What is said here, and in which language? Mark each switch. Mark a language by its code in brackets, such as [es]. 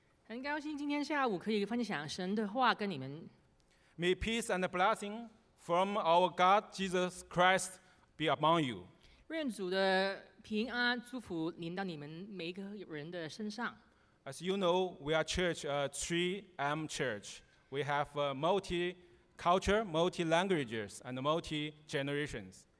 [zh] 很高兴今天下午可以分享神的话跟你们。 [en] May peace and blessing from our God Jesus Christ be among you. [zh] 愿主的平安祝福临到你们每个人的身上。 [en] As you know, we are church, a 3M church. We have a multi-culture, multi-languages, and multi-generations.